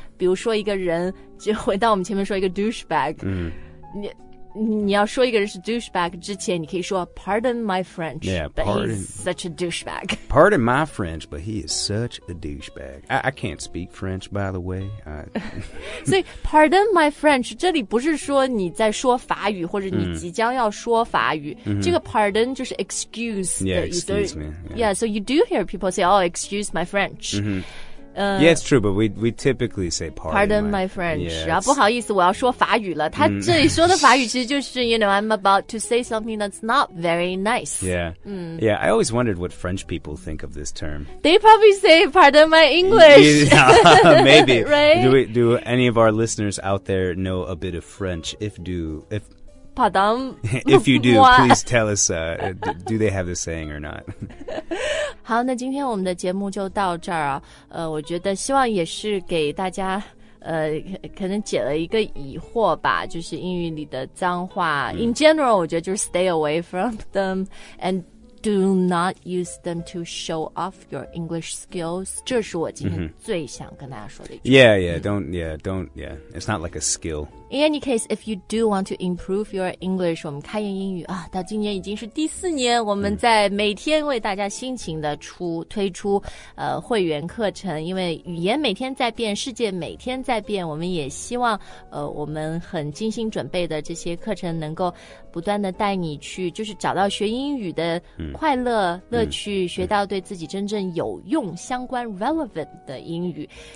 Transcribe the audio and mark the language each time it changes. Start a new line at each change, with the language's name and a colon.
Chinese: 比如说一个人就回到我们前面说一个 douchebag、嗯、你要说一个人是 douchebag 之前你可以说
English: pardon my French yeah, but he's such a douchebag pardon my French but he is such a douchebag I can't speak French by the way I...
Chinese: 所以
English: pardon my French
Chinese: 这里不是说你在说法语或者你即将要说法语、嗯、这个 pardon 就是 excuse
English: yeah excuse me yeah. yeah so you do hear people say oh excuse my French、 mm-hmm. Yeah, it's true, but we typically say pardon my French. Yeah,
Chinese: 不好意思，我要说法语了。他这里说的法语其实就是
English: you know, I'm about to say something that's not very nice. Yeah, yeah. I always wondered what French people think of this term. They probably say pardon my English. Maybe. Right? Do any of our listeners out there know a bit of French? Pardon. If you do, please tell us, do they have the saying or not?
Chinese: 好，那今天我们的节目就到这儿啊。我觉得希望也是给大家，可能解了一个疑惑吧，就是英语里的脏话。
English: In general,
Chinese: 我觉得就是
English: stay away from them and do not use them to show off your English skills.
Chinese: 这是我今天最想跟大家说的一句。
English: Yeah, don't. It's not like a skill. In any case, if you do want to improve your English,
Chinese: 我们开言英语啊，到今年已经是第四年，我们在每天为大家辛勤的推出会员课程，因为语言每天在变，世界每天在变，我们也希望我们很精心准备的这些课程能够不断的带你去，就是找到学英语的快乐乐趣，学到对自己真正有用相关 relevant 的英语。